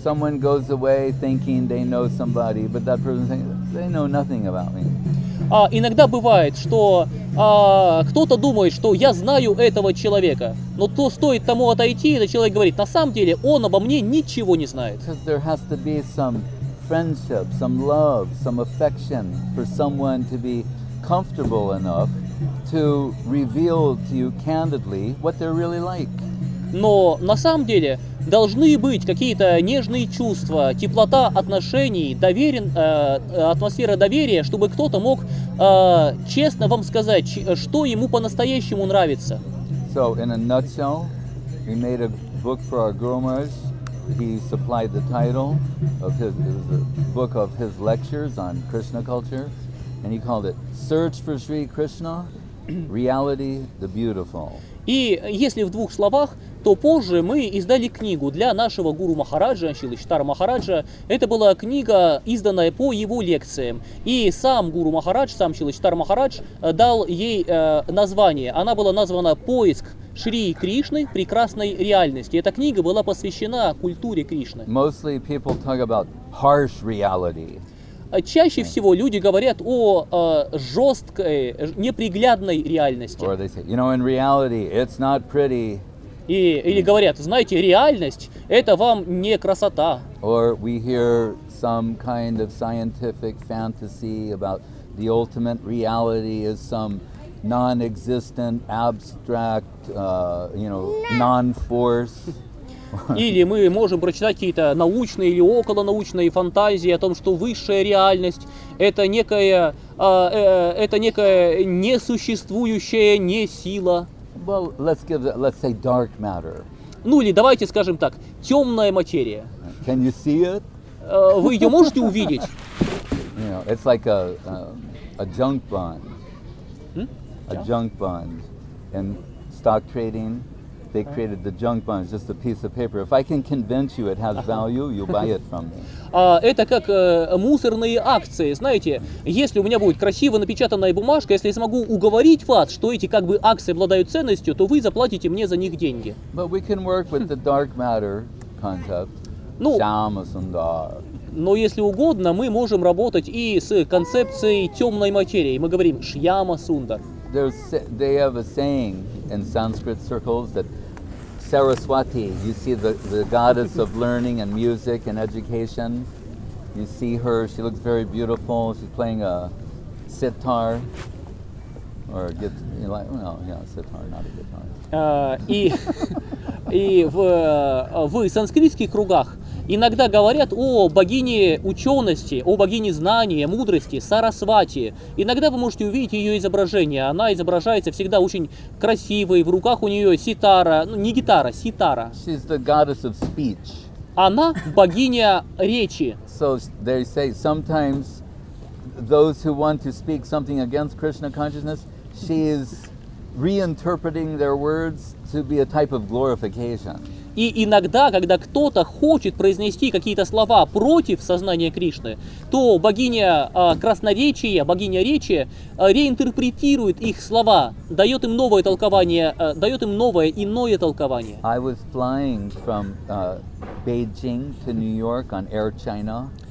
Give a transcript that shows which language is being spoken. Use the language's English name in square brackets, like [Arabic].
[English] Someone goes away thinking they know somebody, but that person thinks they know nothing about me. [Russian] Иногда бывает, что кто-то думает, что я знаю этого человека, но то стоит тому отойти, и этот человек говорит, на самом деле он обо мне ничего не знает. [English] There has to be some friendship, some love, some affection for someone to be comfortable enough to reveal to you candidly what they're really like. [Russian] Но на самом деле должны быть какие-то нежные чувства, теплота отношений, атмосфера доверия, чтобы кто-то мог честно вам сказать, что ему по-настоящему нравится. [English] So, in a nutshell, we made a book for our Guru Maharaj. He supplied the title of his, it was a book of his lectures on Krishna culture, and he called it Search for Sri Krishna, Reality, the Beautiful. [Russian] И если в двух словах, то позже мы издали книгу для нашего гуру Махараджа, Шрилы Читара Махараджа. Это была книга, изданная по его лекциям. И сам гуру Махарадж, сам Шрилы Читара Махарадж дал ей название. Она была названа «Поиск Шри Кришны, прекрасной реальности». Эта книга была посвящена культуре Кришны. [English] Mostly people talk about harsh reality. [Russian] Чаще всего люди говорят о жесткой, неприглядной реальности. [English] Or they say, you know, in reality, it's not pretty. [Russian] Или говорят, знаете, реальность – это вам не красота. [English] Or we hear some kind of scientific fantasy about the ultimate reality is some non-existent, abstract, non-force. [Russian] Или мы можем прочитать какие-то научные или околонаучные фантазии о том, что высшая реальность – это некая несуществующая несила. [English] Well, let's say dark matter. [Russian] Ну или давайте скажем так, темная материя. [English] Can you see it? [Russian] Вы ее можете увидеть? [English] You know, it's like a junk bond. Hmm? A junk bond in stock trading. They created the junk bond, it's just a piece of paper. If I can convince you it has value, you'll buy it from me. [Russian] Это как мусорные акции, знаете, если у меня будет красиво напечатанная бумажка, если я смогу уговорить вас, что эти как бы акции обладают ценностью, то вы заплатите мне за них деньги. [English] But we can work with the dark matter concept. [Russian] Ну, [English] Shamasundar. [Russian] Но если угодно, мы можем работать и с концепцией темной материи. Мы говорим Шьяма-сундар. [English] They have a saying in Sanskrit circles that Saraswati, you see the goddess of learning and music and education, you see her, she looks very beautiful, she's playing a sitar, or get, you like, well, yeah, sitar, not a guitar. [Russian] И в санскритских кругах иногда говорят о богине учености, о богине знания, мудрости, Сарасвати. Иногда вы можете увидеть ее изображение. Она изображается всегда очень красивой. В руках у нее ситара, ну не гитара, ситара. [English] She's the goddess of speech. [Russian] Она богиня речи. [English] So they say sometimes those who want to speak something against Krishna consciousness, she is reinterpreting their words to be a type of glorification. [Russian] И иногда, когда кто-то хочет произнести какие-то слова против сознания Кришны, то богиня красноречия, богиня речи, реинтерпретирует их слова, дает им новое толкование, дает им новое иное толкование. [English] I was flying from Beijing to New York on Air China.